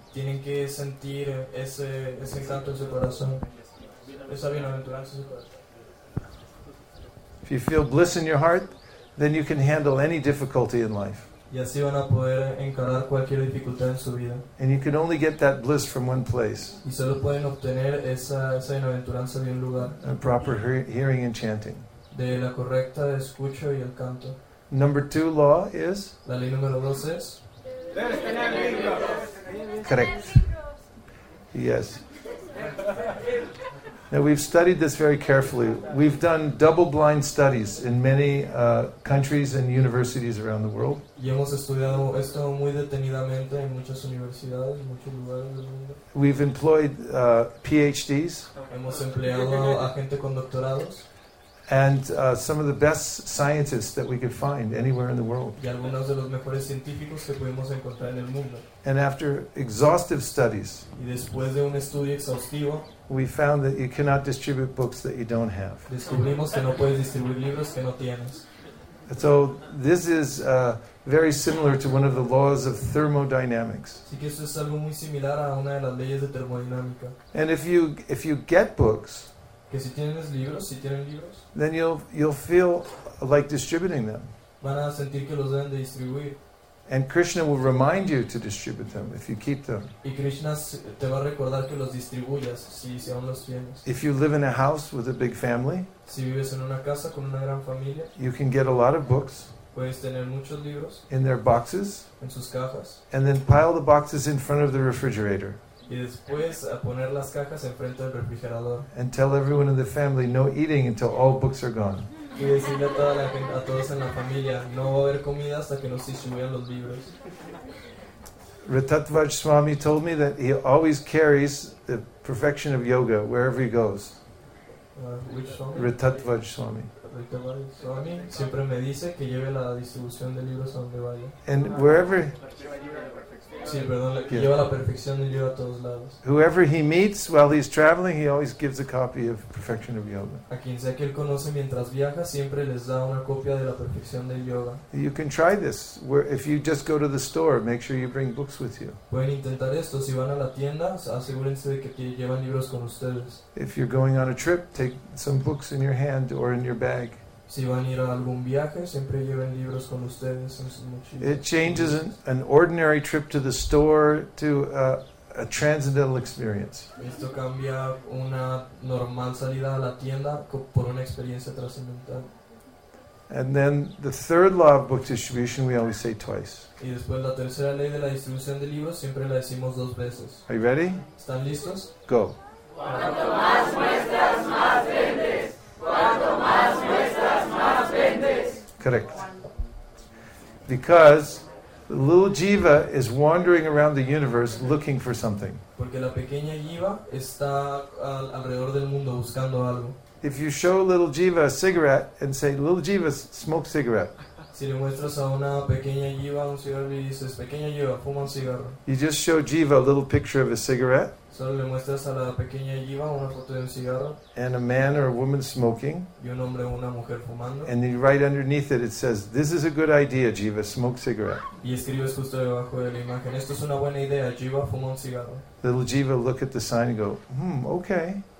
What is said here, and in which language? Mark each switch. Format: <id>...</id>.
<es>Tienen que sentir ese encanto en su corazón. Esa bienaventuranza en su corazón.</es> <en>If you feel bliss in your heart, then you can handle any difficulty in life.</en> <es>Y así van a poder encarar cualquier dificultad en su vida.</es> <en>And you can only get that bliss from one place.</en> <es>Y solo pueden obtener esa bienaventuranza de un lugar.</es> <en>And proper hearing and chanting.</en> <es>De la correcta escucha y el canto.</es> <en>Number two law is?</en> <es>La ley número dos es? Debes tener libros.</es> <en>Correct. Yes. Now we've studied this very carefully. We've done double-blind studies in many countries and universities around the world.</en> <es>Y hemos estudiado esto muy detenidamente en muchas universidades, en muchos lugares del mundo.</es> <en>We've employed PhDs.</en> <es>Hemos empleado a gente con doctorados.</es> <en>And some of the best scientists that we could find anywhere in the world.</en> <es>Y algunos de los mejores científicos que pudimos encontrar en el mundo.</es> <en>And after exhaustive studies,</en> <es>y después de un estudio exhaustivo,</es> <en>we found that you cannot distribute books that you don't have.</en> <es>Descubrimos que no puedes distribuir libros que no tienes.</es> <en>So this is very similar to one of the laws of thermodynamics.</en> <es>Sí, que eso es algo muy similar a una de las leyes de termodinámica.</es> <en>And if you get books,</en> <es>que si tienes libros, si tienen libros,</es> <en>then you'll feel like distributing them.</en> <es>Van a sentir que los deben de distribuir.</es> <en>And Krishna will remind you to distribute them if you keep them.</en> <es>Y Krishna te va a recordar que los distribuyas si aún los tienes.</es> <en>If you live in a house with a big family,</en> <es>si vives en una casa con una gran familia,</es> <en>you can get a lot of books.</en> <es>Puedes tener muchos libros</es> <en>in their boxes.</en> <es>En sus cajas.</es> <en>And then pile the boxes in front of the refrigerator.</en> <es>Y después a poner las cajas en frente del refrigerador.</es> <en>And tell everyone in the family no eating until all books are gone.</en> <es>Y decirle a todos en la familia, no va a haber comida hasta que no se distribuyan los libros.</es> <en>Ratatvaj Swami told me that he always carries the perfection of yoga wherever he goes. Which Swami? Ratatvaj Swami.</en> <es>Swami siempre me dice que lleve la distribución de libros a donde vaya.</es> <en>And wherever...</en> <es>Sí, perdón, yeah. Lleva la perfección del yoga a todos lados.</es> <en>Whoever he meets while he's traveling, he always gives a copy of Perfection of Yoga.</en> <es>A quien sea que él conoce mientras viaja, siempre les da una copia de la perfección del yoga.</es> <en>You can try this. Where, if you just go to the store, make sure you bring books with you.</en> <es>Pueden intentar esto. Si van a la tienda, asegúrense de que llevan libros con ustedes.</es> <en>If you're going on a trip, take some books in your hand or in your bag.</en> <es>Si van a ir a algún viaje, siempre lleven libros con ustedes en sus mochilas.</es> <en>It changes an ordinary trip to the store to a transcendental experience.</en> <es>Esto cambia una normal salida a la tienda por una experiencia trascendental.</es> <en>And then the third law of book distribution, we always say twice.</en> <es>Y después la tercera ley de la distribución de libros, siempre la decimos dos veces.</es> <en>Are you ready?</en> <es>¿Están listos?</es> <en>Go.</en> <es>Cuanto más muestras, más vendes. Cuanto más muestras, más vendes.</es> <en>Correct. Because the little jiva is wandering around the universe looking for something.</en> <es>Porque la pequeña jiva está alrededor del mundo buscando algo.</es> <en>If you show little jiva a cigarette and say, "Little jiva, smoke cigarette."</en> <es>Si le muestras a una pequeña jiva un cigarro y dices, "Pequeña jiva, fuma un cigarro."</es> <en>You just show jiva a little picture of a cigarette.</en> <es>Solo le muestras a la pequeña jiva una foto de un cigarro.</es> <en>And a man or a woman smoking.</en> <es>Y un hombre o una mujer fumando.</es> <en>And then right underneath it says, "This is a good idea, jiva, smoke cigarette."</en> <es>Y escribes justo debajo de la imagen, "Esto es una buena idea, jiva, fuma un cigarro."</es> <en>Little jiva look at the sign and go, okay.</en>